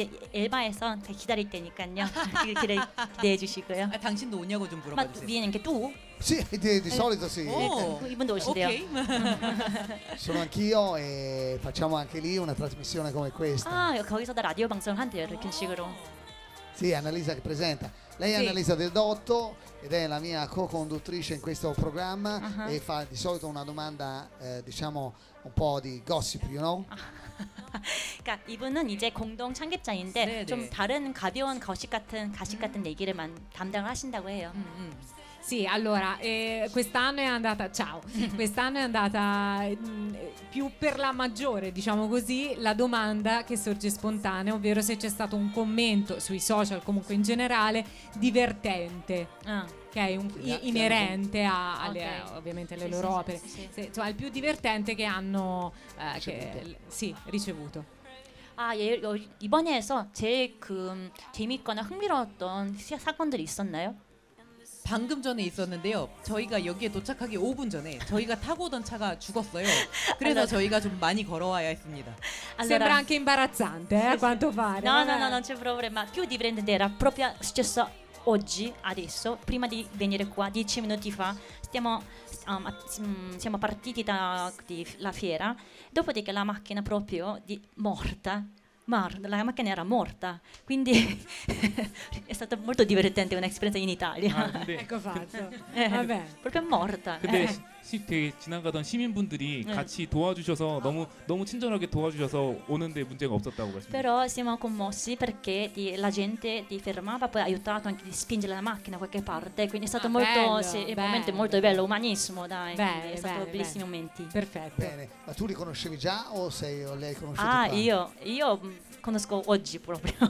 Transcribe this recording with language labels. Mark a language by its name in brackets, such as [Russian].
[Korean] Elba에서 기다릴 테니까요. 기대해 주시고요. 당신도 오냐고 좀 물어봐 주세요. 막 비행기 또? [Italian] 시, [Korean] 이제 [Italian] solito sì. [Korean] 이분도 오시대요. [Italian] Sono anch'io e facciamo anche lì una trasmissione come questa. [Korean] 아, 거기서 다 라디오 방송을 한대요, 이렇게 식으로. [Italian] Sì, Annalisa che presenta. Lei è Annalisa Del Dotto ed è la mia co-conduttrice in questo programma e fa di solito una domanda, diciamo, un po' di gossip, [English] you know? [Korean] 그러니까 이분은 이제 공동 창립자인데 좀 다른 가벼운 거식 같은 가식 같은 얘기를 담당을 하신다고 해요. [Italian] Sì, allora, quest'anno è andata, ciao, quest'anno è andata più per la maggiore, diciamo così, la domanda che sorge spontanea, ovvero se c'è stato un commento sui social, comunque in generale, divertente. Ah. Che è un, inerente a, alle, okay. ovviamente alle sì, loro sì, opere, sì, sì. Sì, cioè il più divertente che hanno che, sì, ricevuto. [Korean] Ah, 예, 이번에서 제일 그 재밌거나 흥미로웠던 사건들이 있었나요? 방금 전에 있었는데요. 저희가 여기에 도착하기 5분 전에 저희가 타고 오던 차가 죽었어요. 그래서 [Italian] allora, [Korean] 저희가 좀 많이 걸어와야 했습니다. [Italian] Allora, sembra anche imbarazzante, a quanto pare. No, no, no, non c'è problema. Più divertente era proprio successo oggi, adesso, prima di venire qua, 10 minuti fa, siamo partiti dalla fiera, dopodiché la macchina proprio di morta, la macchina era morta, quindi è stata molto divertente un'esperienza in Italia. Ah, ecco fatto. Vabbè. Proprio morta. [Korean] 근데 되게 지나가던 시민분들이 같이 도와주셔서 너무 너무 친절하게 도와주셔서 오는데 문제가 없었다고 말씀드렸어요. [Italian] Però siamo commossi perché la gente ti fermava, poi ha aiutato anche di spingere la macchina qualche parte, quindi è stato molto bello, sì, bello. Il momento è molto bello, umanissimo, dai, bello, è stato bello, bellissimi bello. Momenti. Perfetto. Bene, ma tu li conoscevi già o sei o lei conosciuto? Ah, qua? io conosco oggi proprio.